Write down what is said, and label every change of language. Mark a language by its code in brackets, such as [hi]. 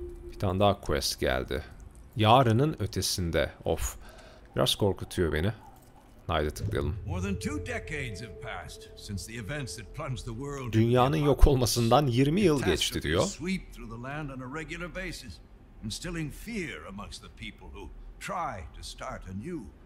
[tr] Bir tane daha quest geldi. Yarının ötesinde. Of. Biraz korkutuyor beni. Haydi tıklayalım. [en] More than two decades have passed since the events that plunged the world. [tr] Dünyanın yok olmasından 20 yıl geçti diyor. [en] Sweep through the land on a regular basis, instilling fear amongst the people who try to start anew.